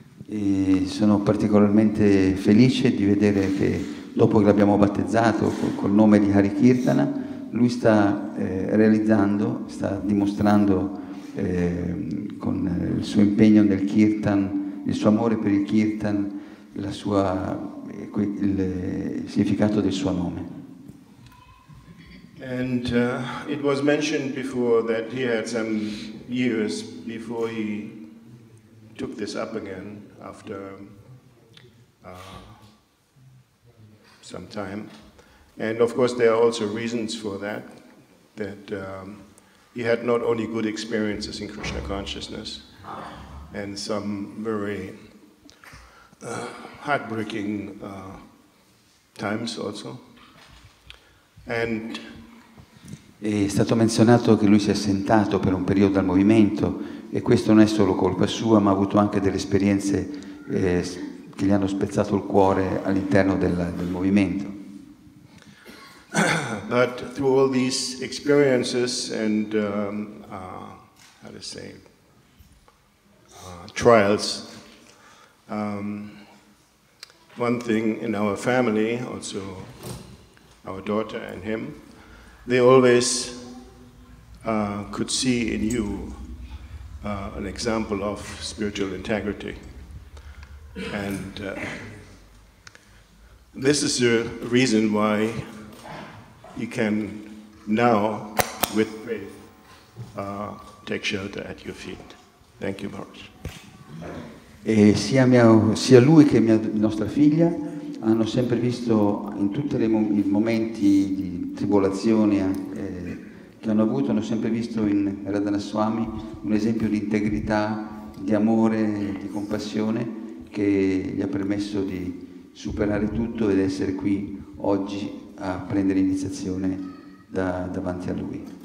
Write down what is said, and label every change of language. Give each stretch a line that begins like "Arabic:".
Italian: E sono particolarmente felice di vedere che dopo che l'abbiamo battezzato col nome di Hari Kirtana, lui sta realizzando, sta dimostrando con il suo impegno nel Kirtan, il suo amore per il Kirtan, il significato del suo nome.
English: And it was mentioned before that he had some years before he took this up again after some time. And of course there are also reasons for that, that he had not only good experiences in Krishna consciousness and some very heartbreaking times also. And
Italian: è stato menzionato che lui si è assentato per un periodo dal movimento, e questo non è solo colpa sua, ma ha avuto anche delle esperienze che gli hanno spezzato il cuore all'interno del movimento.
English: But through all these experiences and how to say trials, one thing in our family, also our daughter and him, they always could see in you an example of spiritual integrity. And this is the reason why you can now, with faith, take shelter at your feet. Thank you, Maharaj.
Italian: E sia, sia lui che mia nostra figlia hanno sempre visto in tutti i momenti di tribolazione che hanno avuto, hanno sempre visto in Radhana Swami un esempio di integrità, di amore, di compassione che gli ha permesso di superare tutto ed essere qui oggi a prendere iniziazione davanti a lui.